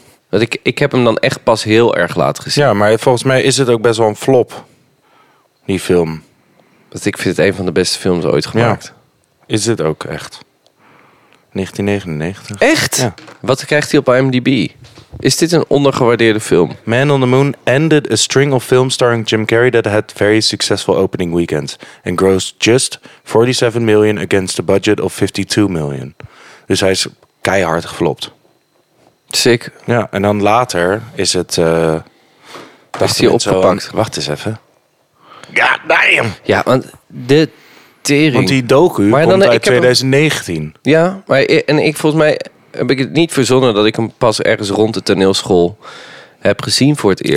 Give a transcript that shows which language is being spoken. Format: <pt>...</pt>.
<nl>Want ik heb hem dan echt pas heel erg laat gezien. Ja, maar volgens mij is het ook best wel een flop, die film. Want ik vind het een van de beste films ooit gemaakt. Ja. Is dit ook echt? 1999. Echt? Ja. Wat krijgt hij op IMDb? Is dit een ondergewaardeerde film?</nl> <en>Man on the Moon ended a string of films starring Jim Carrey that had very successful opening weekends and grossed just 47 million against a budget of 52 million.</en> <nl>Dus hij is keihard geflopt. Sick. Ja, en dan later is het... Is hij opgepakt? Wacht eens even.</nl> <en>God damn!</en> <nl>Ja, want dit... Tering. Want die docu komt uit 2019. Ja, maar volgens mij heb ik het niet verzonnen dat ik hem pas ergens rond de toneelschool heb gezien voor het eerst.</nl>